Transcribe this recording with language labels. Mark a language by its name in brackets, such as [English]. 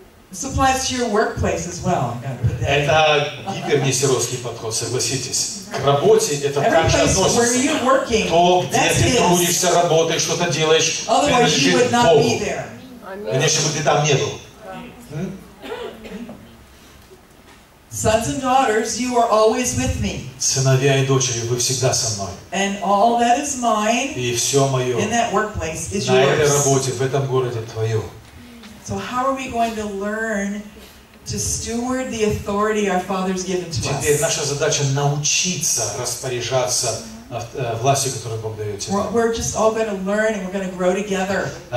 [English] Supplies to your workplace as well. [Russian] Это гипернесеровский подход, согласитесь. К работе это также относится. То, где ты трудишься, работаешь, что-то делаешь, принадлежит Богу. Конечно, бы ты там не был. [English] Sons and daughters, you are always with me. [Russian] Сыновья и дочери, вы всегда со мной. [English] And all that is mine. [Russian] И все мое. [English] In that workplace is [Russian] на [English] yours. [Russian] На этой работе, в этом городе твое. [English] So how are we going to learn to steward the authority our Father's given to us? [Russian] Теперь наша задача научиться распоряжаться властью, которую Бог дает тебе. [English] We're just all going to learn and we're going to grow together.